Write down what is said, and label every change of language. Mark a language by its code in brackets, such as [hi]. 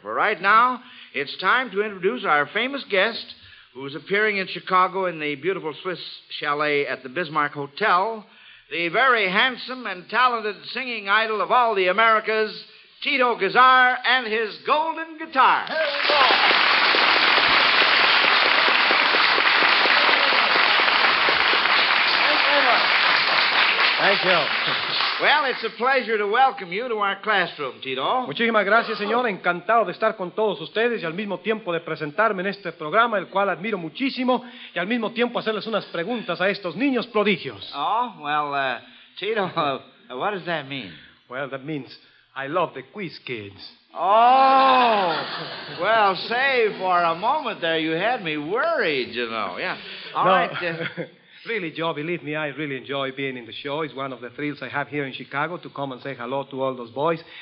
[en] For right now, it's time to introduce our famous guest, who's appearing in Chicago in the beautiful Swiss chalet at the Bismarck Hotel, the very handsome and talented singing idol of all the Americas, Tito Gazzar and his golden guitar. Hey, thank you. Well, it's a pleasure to welcome you to our classroom, Tito. [es] Muchísimas gracias, señor. Encantado de estar con todos ustedes y al mismo tiempo de presentarme en este programa, el cual admiro muchísimo, y al mismo tiempo hacerles unas preguntas a estos niños prodigios. [en] Oh, well, Tito, what does that mean? Well, that means I love the quiz kids. Oh, well, say, for a moment there, you had me worried, you know. Yeah. All right. Really, Joe, believe me, I really enjoy being in the show. It's one of the thrills I have here in Chicago to come and say hello to all those boys.